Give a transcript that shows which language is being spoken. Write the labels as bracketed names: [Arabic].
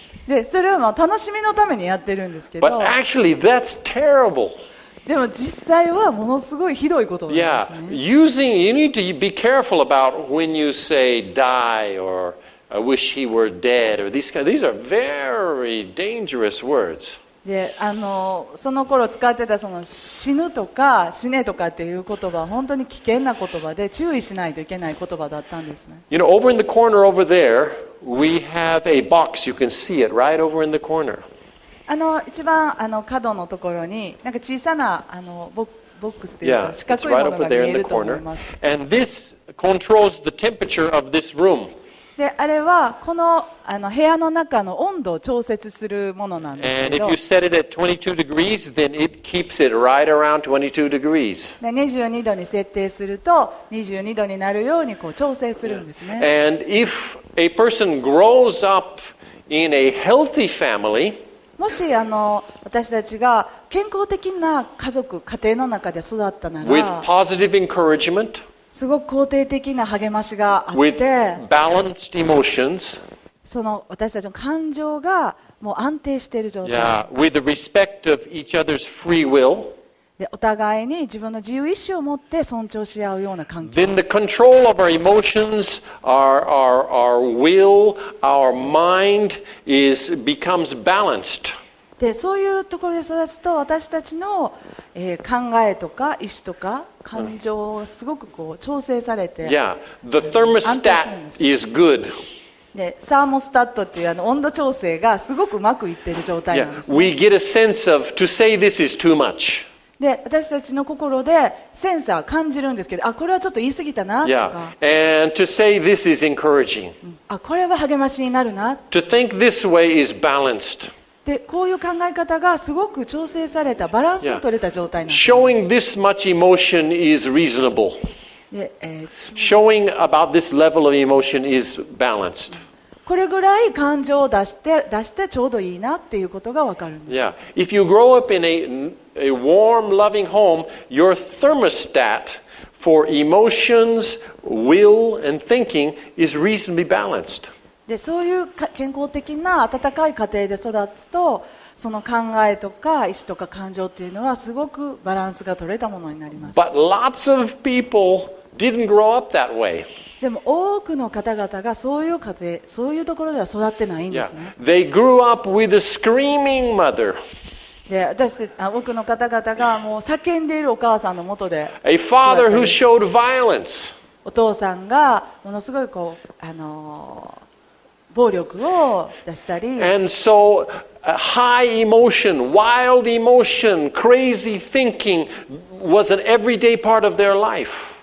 [Japanese] でそれはまあ楽しみのためにやってるんですけど [English] But actually that's terrible. [Japanese] でも実際はものすごいひどいことなんですね。 [English] Yeah, you need to be careful about when you say die or I wish he were dead or these are very dangerous words. [Japanese] その頃使ってたその死ぬとか死ねとかっていう言葉は本当に危険な言葉で注意しないといけない言葉だったんですね。 [English] You know, over in the corner over there, we have a box. You can see it right over in the corner. [Japanese] 一番角のところになんか小さなボックスというか四角いものが見えると思います。 [English] And this controls the temperature of this room. [Japanese] で、あれはこの部屋の中の温度を調節するものなんですけど。 [English] And if you set it at 22 degrees, then it keeps it right around 22 degrees. [Japanese] で、22度に設定すると22度になるようにこう調整するんですね。 [English] And if a person grows up in a healthy family, [Japanese] もし私たちが健康的な家族、家庭の中で育ったなら [English] With positive encouragement, [Japanese] すごく肯定的な励ましがあって [English] 、 with balanced emotions, [Japanese] その私たちの感情がもう安定している状態、 [English] yeah, with the respect of each other's free will, [Japanese] でお互いに自分の自由意志を持って尊重し合うような環境、 [English] then the control of our emotions, our will, our mind becomes balanced. [Japanese] でそういうところで育つと私たちの、考えとか意思とか感情をすごくこう調整されて、 [English] yeah. The thermostat is good. [Japanese] でサーモスタットっていうあの温度調整がすごくうまくいってる状態なんです、 [English] yeah. We get a sense of to say this is too much. [Japanese] で私たちの心でセンサー感じるんですけど、あこれはちょっと言い過ぎたなとか、 [English] yeah. And to say this is encouraging. [Japanese] あこれは励ましになるな。 [English] To think this way is balanced. [Japanese] でこういう考え方がすごく調整されたバランスを取れた状態なんです。 [English] Showing this much emotion is reasonable. Showing about this level of emotion is balanced. [Japanese] これぐらい感情を出してちょうどいいなっていうことがわかるんです。 [English] Yeah. If you grow up in a warm, loving home, your thermostat for emotions, will, and thinking is reasonably balanced. [Japanese] でそういう健康的な温かい家庭で育つと、その考えとか意思とか感情というのはすごくバランスが取れたものになります。 [English] But lots of people didn't grow up that way. [Japanese] でも多くの方々がそういう家庭、そういうところでは育ってないんですね。 [English] Yeah. They grew up with a screaming mother. [Japanese] で多くの方々がもう叫んでいるお母さんのもとで。 [English] A father who showed violence. [Japanese] お父さんがものすごいこう暴力を出したり、 [English] and so high emotion, wild emotion, crazy thinking was an everyday part of their life.